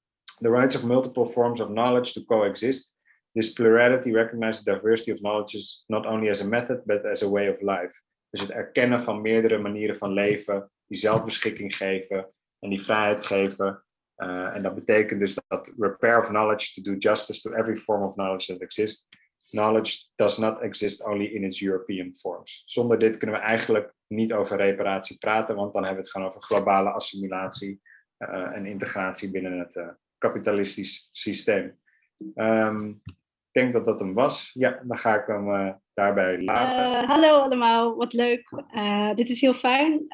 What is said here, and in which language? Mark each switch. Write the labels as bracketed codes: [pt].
[en] The rights of multiple forms of knowledge to coexist. This plurality recognizes the diversity of knowledge not only as a method, but as a way of life. [nl] Dus het erkennen van meerdere manieren van leven, die zelfbeschikking geven en die vrijheid geven. En dat betekent dus dat [en] repair of knowledge to do justice to every form of knowledge that exists. Knowledge does not exist only in its European forms. [nl] Zonder dit kunnen we eigenlijk niet over reparatie praten, want dan hebben we het gewoon over globale assimilatie en integratie binnen het kapitalistisch systeem. Ik denk dat dat hem was. Ja, dan ga ik hem daarbij laten. Hallo allemaal, wat leuk. Dit is heel fijn.